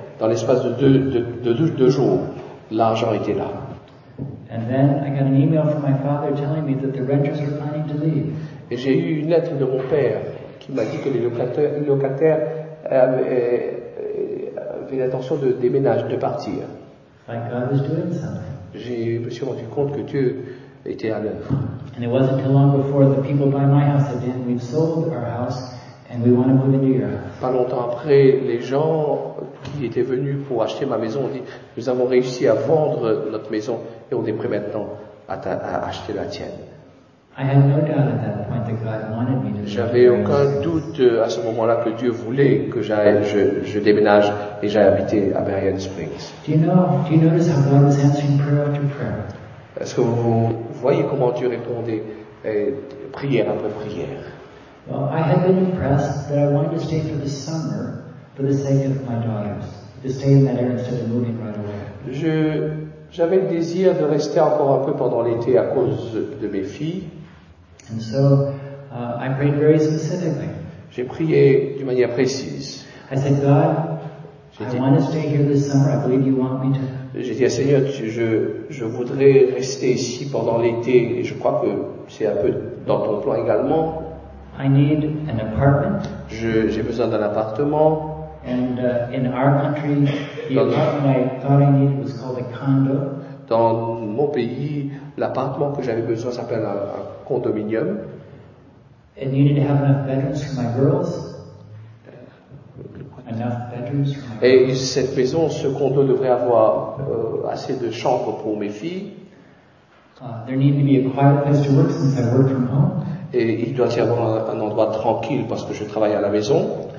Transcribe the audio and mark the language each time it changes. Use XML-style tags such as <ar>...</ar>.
<fr>Dans l'espace de deux jours, l'argent était là.</fr> <en>And then I got an email from my father telling me that the renters were planning to leave.</en> <fr>Et j'ai eu une lettre de mon père qui m'a dit que les locataires avait l'intention de déménager, de partir. Je me suis rendu compte que Dieu était à l'œuvre.</fr> <en>And it wasn't too long before the people by my house said, "Dan, we've sold our house and we want to move into your house."</en> <fr>Pas longtemps après, les gens qui étaient venus pour acheter ma maison ont dit, "Nous avons réussi à vendre notre maison et on est prêt maintenant à acheter la tienne."</fr> <en>I had no doubt at that point that God wanted me to.</en> <fr>J'avais aucun doute à ce moment-là que Dieu voulait que je déménage et j'aille habiter à Berrien Springs.</fr> <en>Do you notice how God was answering prayer after prayer?</en> <fr>Est-ce que vous voyez comment Dieu répondait prière après prière?</fr> <en>Well, I had been impressed that I wanted to stay for the summer for the sake of my daughters, to stay in that area instead of moving right away.</en> <fr>J'avais le désir de rester encore un peu pendant l'été à cause de mes filles.</fr> <en>And so, I prayed very specifically.</en> <fr>J'ai prié d'une manière précise.</fr> <en>I said, God, I want to stay here this summer. I believe you want me to.</en> <fr>J'ai dit, Seigneur, je voudrais rester ici pendant l'été et je crois que c'est un peu dans ton plan également.</fr> <en>I need an apartment.</en> <fr>J'ai besoin d'un appartement.</fr> <en>And in our country, the apartment I thought I needed was called a condo.</en> <fr>Dans mon pays, l'appartement que j'avais besoin s'appelle un condominium.</fr> <en>And you need to have enough bedrooms for my girls. Enough bedrooms for my girls.</en> <fr>Et cette maison, ce condo devrait avoir assez de chambres pour mes filles.</fr> <en>There needed to be a quiet place to work since I work from home.</en> <fr>Et il doit y avoir un endroit tranquille parce que je travaille à la maison.</fr>